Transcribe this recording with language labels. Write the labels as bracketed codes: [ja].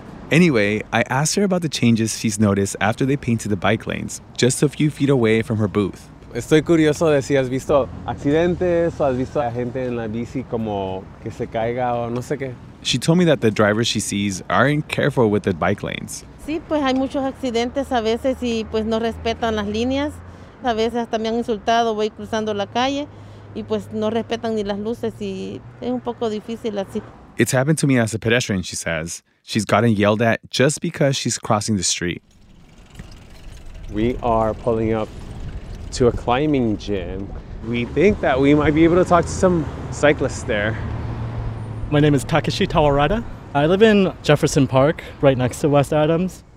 [en] Anyway, I asked her about the changes she's noticed after they painted the bike lanes, just a few feet away from her booth. [es] Estoy curioso de si has visto accidentes o has visto a gente en la bici como que se caiga o no sé qué. [en] She told me that the drivers she sees aren't careful with the bike lanes. [es] Sí, pues hay muchos accidentes a veces y pues no respetan las líneas. A veces hasta me han insultado, voy cruzando la calle y pues no respetan ni las luces y es un poco difícil así. [en] It's happened to me as a pedestrian, she says. She's gotten yelled at just because she's crossing the street. We are pulling up to a climbing gym. We think that we might be able to talk to some cyclists there. My name is Takeshi Tawarada. I live in Jefferson Park, right next to West Adams.